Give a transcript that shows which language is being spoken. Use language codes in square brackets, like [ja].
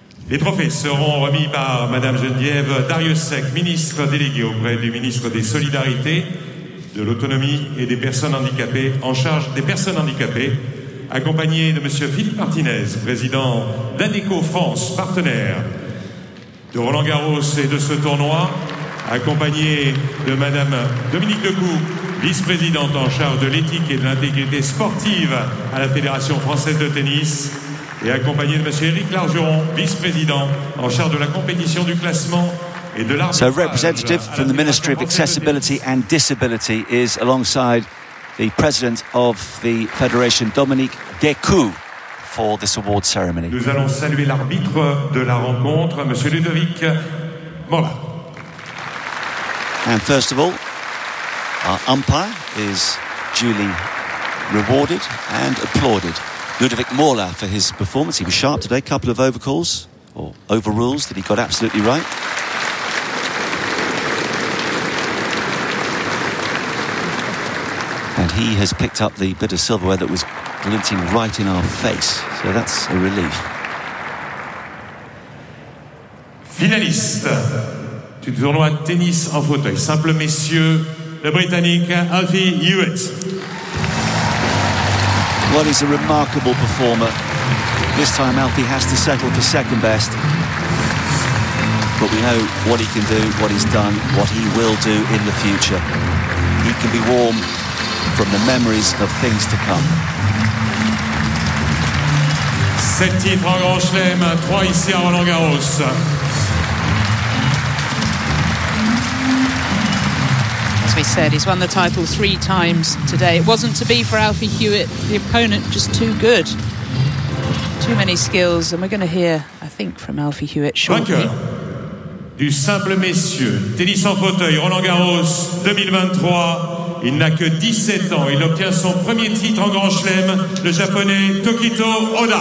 [fr] Les trophées seront remis par Madame Geneviève Darrieussecq, ministre déléguée auprès du ministre des Solidarités, de l'Autonomie et des Personnes Handicapées, en charge des personnes handicapées, accompagnée de Monsieur Philippe Martinez, président d'Adéco France, partenaire de Roland-Garros et de ce tournoi, accompagné de Madame Dominique Decoux, vice-présidente en charge de l'éthique et de l'intégrité sportive à la Fédération française de tennis, et accompagnée de M. Éric Largeron, vice-président en charge de la compétition du classement et de l'arbitrage. [en] So, a representative from the Ministry of Accessibility and Disability is alongside the president of the Federation, Dominique Decoux, for this award ceremony. [fr] Nous allons saluer l'arbitre de la rencontre, M. Ludovic Mola. [en] And first of all, our umpire is duly rewarded and applauded. Ludovic Mola for his performance. He was sharp today. A couple of overcalls or overrules that he got absolutely right. And he has picked up the bit of silverware that was glinting right in our face. So that's a relief. [fr] Finaliste du tournoi de tennis en fauteuil. Simple messieurs. The Britannique, Alfie Hewitt. [en] Well, he's a remarkable performer. This time, Alfie has to settle for second best. But we know what he can do, what he's done, what he will do in the future. He can be warm from the memories of things to come. [fr] Sept titres en Grand Chelem, trois ici à Roland-Garros. [en] As we said, he's won the title three times today. It wasn't to be for Alfie Hewitt. The opponent just too good. Too many skills. And we're going to hear, I think, from Alfie Hewitt shortly. [fr] Vainqueur du simple messieurs, tennis en fauteuil, Roland-Garros 2023. Il n'a que 17 ans. Il obtient son premier titre en Grand Chelem, le japonais Tokito Oda.